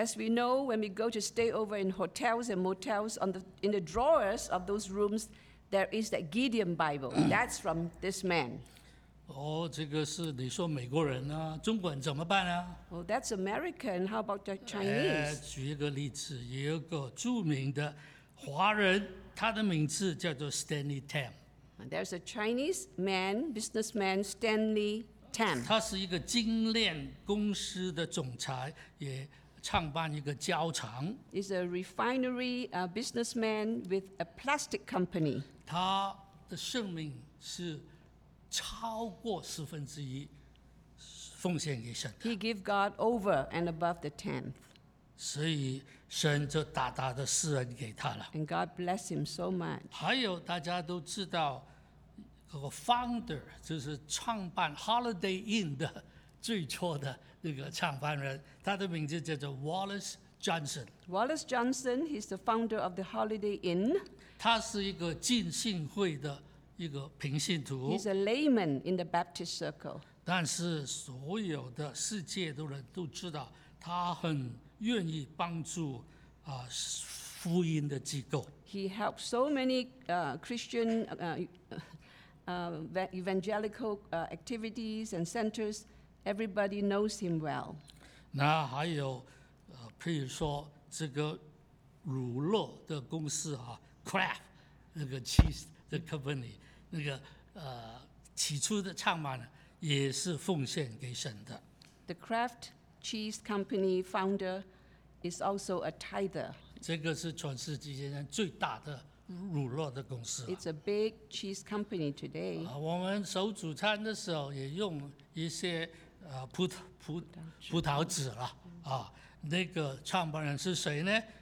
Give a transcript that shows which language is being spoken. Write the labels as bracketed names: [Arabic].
[English] As we know, when we go to stay over in hotels and motels, in the drawers of those rooms, there is that Gideon Bible. That's from this man. [Chinese] 哦，这个是你说美国人啊，中国人怎么办啊？ [English] Well, that's American. How about the Chinese? [Chinese] 举一个例子，有一个著名的华人。他的名字叫做 Stanley Tam. [English] There's a Chinese man, businessman Stanley Tam. [Chinese] 他是一个精炼公司的总裁，也创办一个胶厂。 [English] He's a refinery businessman with a plastic company. [Chinese] 他的生命是超过十分之一奉献给神的。 [English] He gave God over and above the tenth. [Chinese] 所以。神就大大的施恩给他了。 [English] And God bless him so much. [Chinese] 还有大家都知道，那个 founder 就是创办 Holiday Inn 的最初的那个创办人，他的名字叫做 Wallace Johnson. [English] Wallace Johnson, he's the founder of the Holiday Inn. [Chinese] 他是一个浸信会的一个平信徒。 [English] He's a layman in the Baptist circle. [Chinese] 但是所有的世界的人都知道他很。愿意帮助福音的机构。 [English] He helped so many Christian evangelical activities and centers. Everybody knows him well. [Chinese] 那还有譬如说这个乳酪的公司啊 ，Kraft 那个 cheese 的 company， 那个起初的创办人也是奉献给神的。 [English] The Kraft cheese company founder. Is also a tither. [Chinese] 这个是全世界现在最大的乳酪的公司啊, [English] it's a big cheese company today. [Chinese] 我们守主餐的时候也用一些葡萄籽了。那个创办人是谁呢?